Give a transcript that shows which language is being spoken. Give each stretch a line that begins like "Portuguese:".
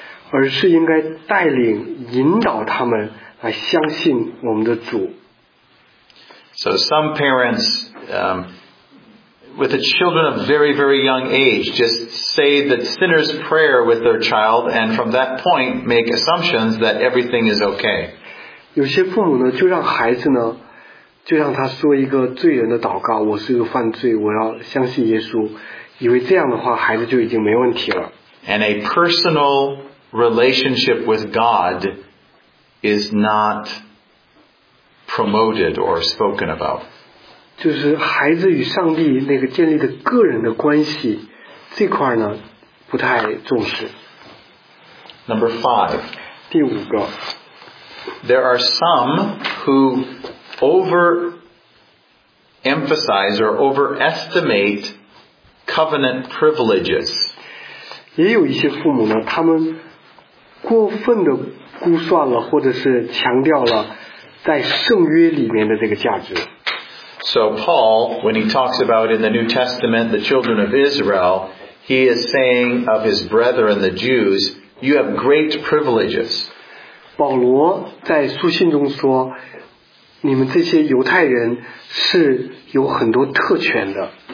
Chinese: 而是应该带领引导他们来相信我们的主。
English: So some parents, with the children of very, very young age, just say the sinner's prayer with their child and from that point make assumptions that everything is okay.
Chinese: 有些父母呢，就让孩子呢就让他说一个罪人的祷告，我是一个犯罪，我要相信耶稣，以为这样的话孩子就已经没问题了。
English: And a personal relationship with God is not promoted or spoken about.
Chinese: 就是孩子与上帝那个建立的个人的关系，这块呢，不太重视。
English: Number five.
Chinese: 第五个。
English: There are some who... overemphasize or overestimate covenant privileges.
Chinese: 也有一些父母呢，他们过分的估算了，或者是强调了在圣约里面的这个价值。
English: So Paul, when he talks about in the New Testament the children of Israel, he is saying of his brethren the Jews, you have great privileges.
Chinese: 保罗在书信中说。你们这些犹太人是有很多特权的。